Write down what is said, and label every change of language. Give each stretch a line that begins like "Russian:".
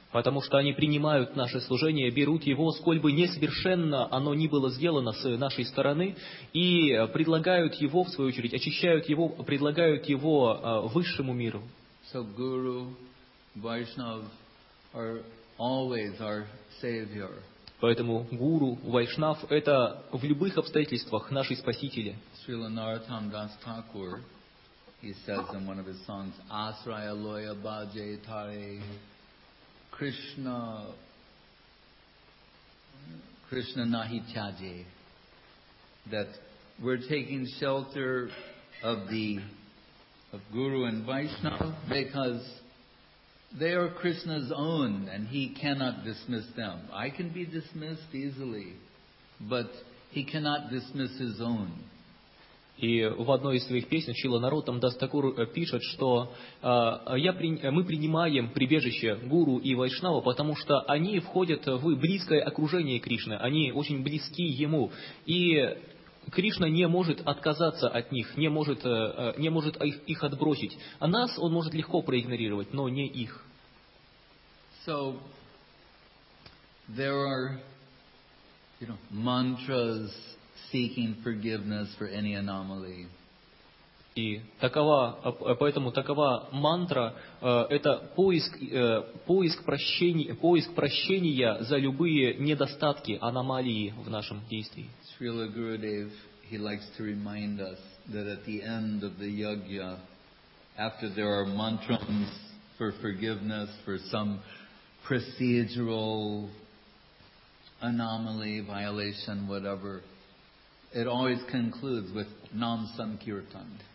Russian: Потому что они принимают наше служение, берут его, сколь бы несовершенно оно ни было сделано с нашей стороны, и предлагают его, в свою очередь, очищают его, предлагают его высшему миру.
English: So Guru, Vaishnav are always our savior.
Russian: Поэтому Гуру, Вайшнав – это в любых обстоятельствах наши спасители.
English: Srila Narottam Das Thakur, he says in one of his songs,
Bangla: Asraya Loya Bhaje Tare Krishna, Krishna Nahi Chaje,
English: that we're taking shelter of Guru and Vaishnav because they are Krishna's own, and he cannot dismiss them. I can be dismissed easily, but he cannot dismiss his own.
Russian: И в одной из своих песен Шрила Наротам Дас Такур пишет, что мы принимаем прибежище Гуру и Вайшнава, потому что они входят в близкое окружение Кришны, они очень близки ему, и Кришна не может отказаться от них, не может их отбросить. А нас он может легко проигнорировать, но не их.
English: So there are, you know, mantras seeking forgiveness for any anomaly.
Russian: И поэтому такова мантра, это поиск прощения за любые недостатки, аномалии в нашем действии.
English: Srila Gurudev, he likes to remind us that at the end of the yajna, after there are mantras for forgiveness for some procedural anomaly, violation, whatever, it always concludes with Nam Sankirtan.